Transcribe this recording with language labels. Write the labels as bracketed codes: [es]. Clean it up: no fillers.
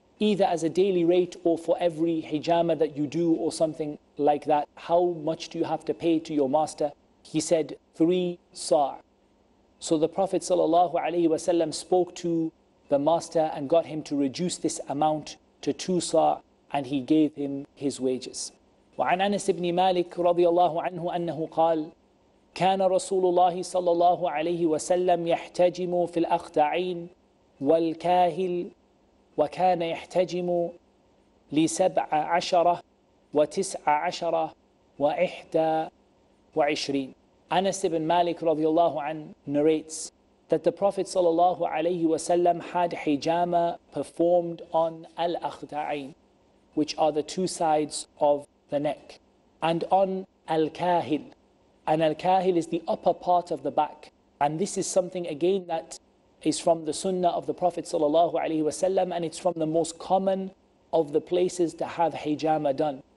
[en] either as a daily rate or for every hijama that you do or something like that, how much do you have to pay to your master? He said, 3 sa'. So the Prophet ﷺ spoke to the master and got him to reduce this amount to 2 sa', and he gave him his wages. [ar] وعن أنس بن مالك رضي الله عنه أنه قال كان رسول الله صلى الله عليه وسلم يحتجم في الأخدعين والكاهل وكان يحتجم 17 و19 و21. [en] Anas ibn Malik radiallahu an narrates that the Prophet sallallahu alayhi wa sallam had hijama performed on al-akhda'ain, which are the 2 sides of the neck, and on al-kahil. And al-kahil is the upper part of the back. And this is something again that is from the sunnah of the Prophet sallallahu alayhi wa sallam, and it's from the most common of the places to have hijama done.